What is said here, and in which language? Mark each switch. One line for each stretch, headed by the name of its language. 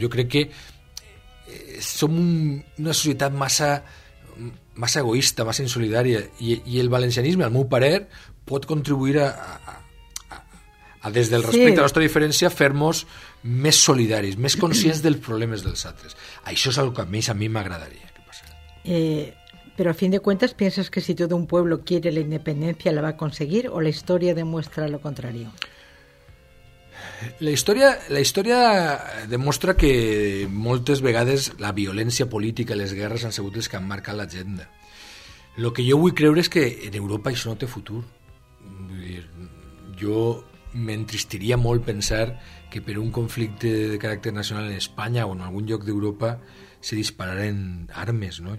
Catalan: Jo crec que som una societat massa egoista, massa insolidària, i el valencianisme, al meu parer, pot contribuir a des del respecte a la nostra diferència, fer-nos més solidaris, més conscients dels problemes dels altres. Això és el que més a mi m'agradaria que passés.
Spanish: Pero a fin de cuentas, ¿piensas que si todo un pueblo quiere la independencia la va a conseguir o la historia demuestra lo contrario? La historia demuestra
Catalan: que moltes vegades la violència política i les guerres han sigut els que han marcat l'agenda. Lo que jo vull creure és que en Europa això no té futur. Vull dir, jo m'entristiria molt pensar que per un conflicte de caràcter nacional en Espanya o en algun lloc d'Europa se dispararen armes, no?